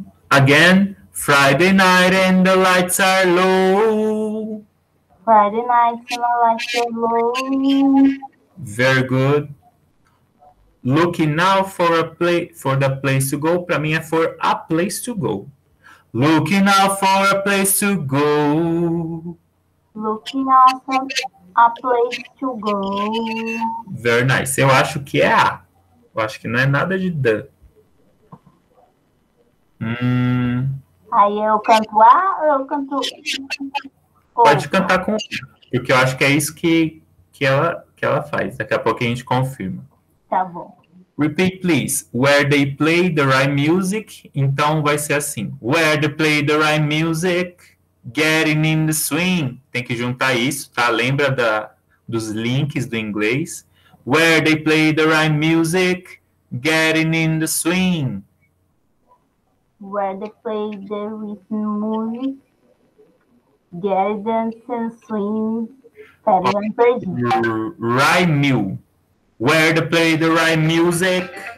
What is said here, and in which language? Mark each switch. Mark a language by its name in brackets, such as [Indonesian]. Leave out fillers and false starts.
[English] Again, Friday night and the lights are low. lights are low. Very good. Looking now for the place to go. [Portuguese] Para mim é [English] for a place to go. Looking now for a place to go. Looking out for a place to go. Very nice. [Portuguese] Eu acho que é a. Eu acho que não é nada de the. Aí eu canto A ou eu canto Pode O? cantar com o, porque eu acho que é isso que ela faz. Daqui a pouco a gente confirma. Tá bom. [English] Repeat, please. Where they play the right music. [Portuguese] Então vai ser assim: [English] Where they play the right music. Getting in the swing. [Portuguese] Tem que juntar isso, tá? Lembra dos links do inglês? [English] Where they play the right music. Getting in the swing. Where they play the rhythm music, get dance and swing, pedal and crazy. Rhyme, where to play the rhyme music?